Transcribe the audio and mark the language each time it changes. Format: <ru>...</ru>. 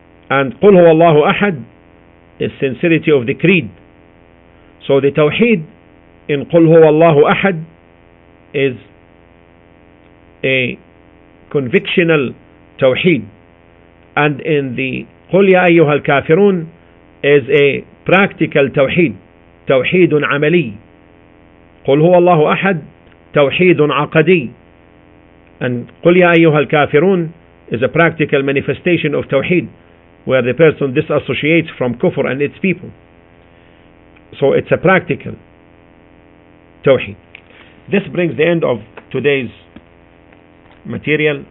<en>And</en> <ar>قُلْ هُوَ اللَّهُ أَحَد</ar> <en>is sincerity of the creed. So the tawheed in قُلْ هُوَ اللَّهُ أَحَد is a convictional tawheed, and in the</en> <ar>قُلْ يَا أَيُّهَا الْكَافِرُونَ</ar> <en>is a practical tawheed, tawheed عملي.</en> <ar>قُلْ هُوَ اللَّهُ أَحَدْ tawheed عقدي.</ar> <en>And</en> <ar>قُلْ يَا أَيُّهَا الْكَافِرُونَ</ar> <en>is a practical manifestation of tawheed, where the person disassociates from kufr and its people. So it's a practical tawheed. This brings the end of today's material.</en>